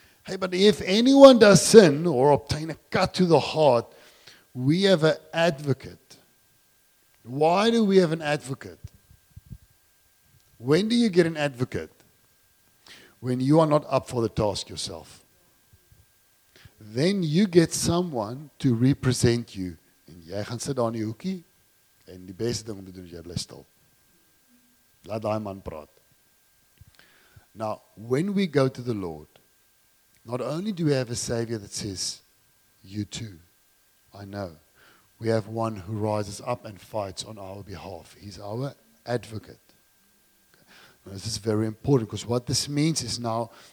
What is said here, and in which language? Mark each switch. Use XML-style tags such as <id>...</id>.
<en>Hey, but if anyone does sin or obtain a cut to the heart, we have an advocate. Why do we have an advocate? When do you get an advocate? When you are not up for the task yourself. Then you get someone to represent you.</en> <af>And jy gaan sit daar in die hoekie. En die beste ding om te doen is jy bly stil. Laat daai man praat.</af> <en>Now, when we go to the Lord, not only do we have a Savior that says, you too, I know. We have one who rises up and fights on our behalf. He's our advocate. This is very important because what this means is now</en>